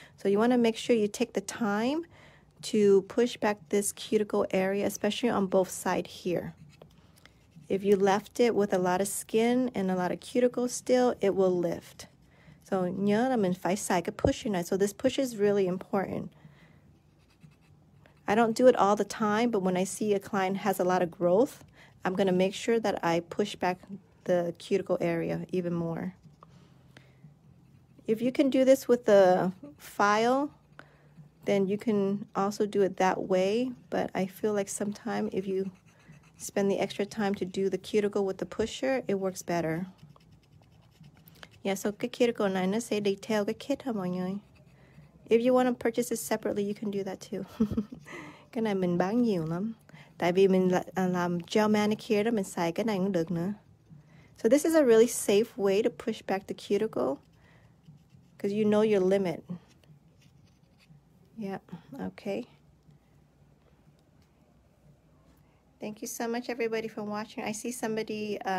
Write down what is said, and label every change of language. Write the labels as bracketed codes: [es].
[en] So you want to make sure you take the time to push back this cuticle area, especially on both sides here. If you left it with a lot of skin and a lot of cuticle still, it will lift. [vi] So nhớ là mình phải xài cái pusher này. [en] So this push is really important. I don't do it all the time, but when I see a client has a lot of growth, I'm going to make sure that I push back the cuticle area even more. If you can do this with the file, then you can also do it that way. But I feel like sometimes if you spend the extra time to do the cuticle with the pusher, it works better. [vi] Yeah, so cái cuticle này nó sẽ đi theo cái kit hả mọi người? [en] If you want to purchase it separately, you can do that too. [vi] Cái này mình bán nhiều lắm. Tại vì mình làm gel manicure đó, mình xài cái này cũng được nữa. [en] So this is a really safe way to push back the cuticle. Because you know your limit. Yeah, okay. Thank you so much everybody for watching. I see somebody...